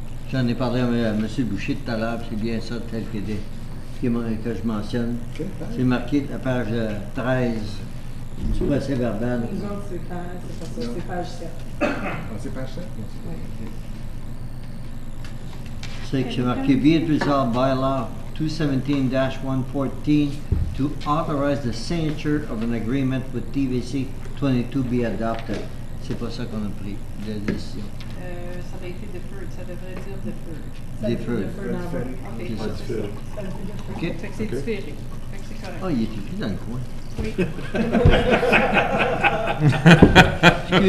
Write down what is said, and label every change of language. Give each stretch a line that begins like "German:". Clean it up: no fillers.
French: J'en ai parlé à M. Boucher tout à l'heure, c'est bien ça tel que je mentionne. C'est marqué la page 13 du procès-verbal. Non, c'est page 7. Oui. C'est que j'ai marqué «
English: Be it resolved by law ». 217-114 to authorize the signature of an agreement with TVC 22 be adopted.
French: C'est pas ça qu'on a pris, la décision. Ça a été deferred, ça devrait dire deferred.
English: Deferred. Okay.
French: Fait que c'est différé. Il est écrit dans le coin. Oui.